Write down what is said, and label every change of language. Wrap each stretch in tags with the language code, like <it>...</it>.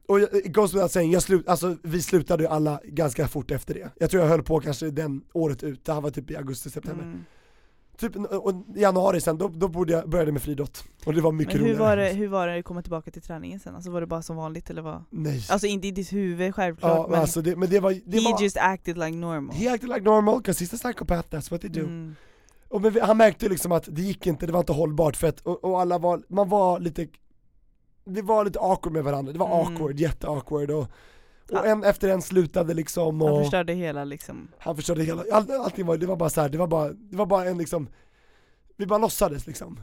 <sv>Och</sv> <en>it goes without saying,</en> <sv>vi slutade ju alla ganska fort efter det. Jag tror jag höll på kanske den året ut. Det här var typ i augusti, september. Mm. Typ och januari sen, då började jag med friidrott. Och det var mycket roligare. Men hur var det att komma tillbaka till träningen sen? Alltså var det bara som vanligt eller vad? Nej. Alltså inte i ditt huvud självklart. Ja, men alltså det var,</sv> <en>just acted like normal. He acted like normal, because he's a psychopath, that's what they do. Mm.</en> <sv>Och men han märkte liksom att det gick inte, det var inte hållbart. För att, och alla var, man var lite, det var lite awkward med varandra. Det var awkward, jätte awkward. Och ja. Efter en slutade liksom. Han förstörde hela liksom. Han förstörde hela. Allting var, det var bara så här. Det var bara en liksom. Vi bara låtsades liksom.</sv>